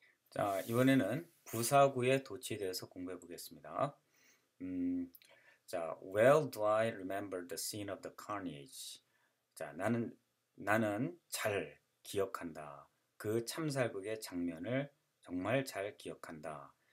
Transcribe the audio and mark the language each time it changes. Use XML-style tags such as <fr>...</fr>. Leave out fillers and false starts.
<ko>자, 이번에는 부사구의 도치에 대해서 공부해 보겠습니다.</ko> <en>Well do I remember the scene of the carnage.</en> <ko>자, 나는 잘 기억한다. 그 참살극의 장면을 정말 잘 기억한다.</ko>